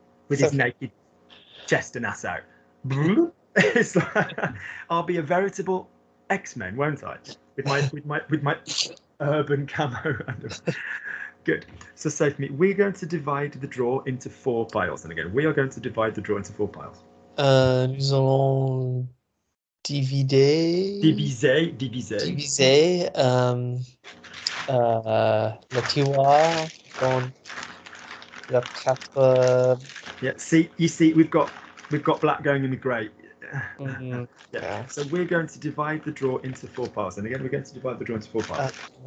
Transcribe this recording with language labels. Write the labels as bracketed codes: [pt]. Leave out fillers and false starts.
[en] With his naked chest and ass out. It's like, I'll be a veritable X-Men, won't I? With my urban camo. Good. So say for me, we're going to divide the draw into four piles. And again, we are going to divide the draw into four piles. [fr] Nous allons diviser le tiroir dans le quatre. [en] Yeah. See, we've got black going in the grey. Yeah. So we're going to divide the draw into four parts. And again, we're going to divide the draw into four parts.